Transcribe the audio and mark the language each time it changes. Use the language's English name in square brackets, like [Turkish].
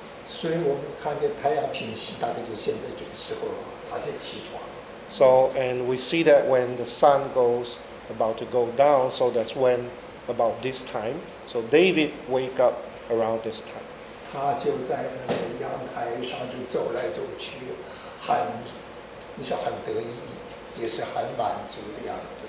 [Chinese] 所以我们看见太阳平息，大概就现在这个时候了，他才起床。 [English] So and we see that when the sun goes about to go down, so that's when about this time. So David wake up around this time. [Chinese] 他就在那个阳台上就走来走去，很，你说很得意，也是很满足的样子。